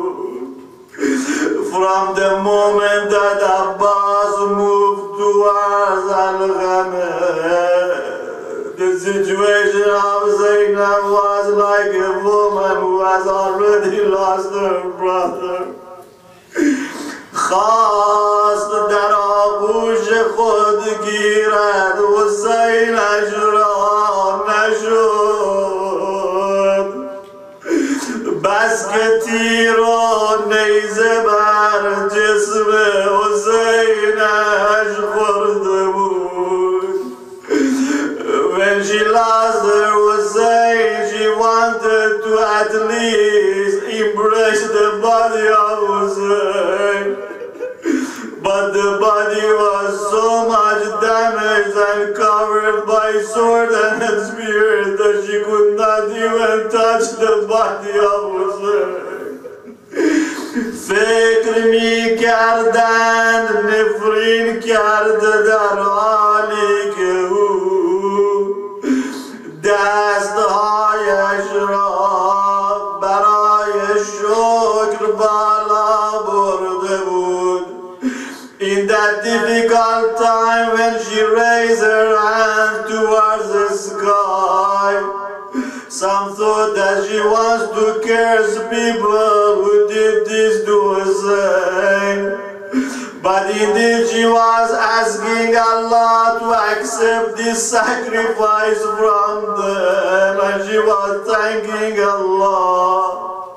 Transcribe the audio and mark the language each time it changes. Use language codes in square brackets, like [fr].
[en] From the moment that Abbas moved towards Al Ghamer, the situation of Zainab was like a woman who has already lost her brother. [fa] خواست در آغوش خود گیرد و حسینش را نشد. بس که تیر و نیزه بر جسم حسینش خورده بود. [en] When she lost her Hussein, she wanted to at least embrace the body of Hussein. But the body was so much damaged and covered by sword and spear that she could not even touch the body of Hussein. [fa] فکر می کردند نفرین کرد در حالی که او دستهایش را برای شکر بالا برده بود. [en] In that difficult time when she raised her hand towards the sky, some thought that she wants to curse people who did this to Hussein. But indeed she was asking Allah to accept this sacrifice from them, and she was thanking Allah.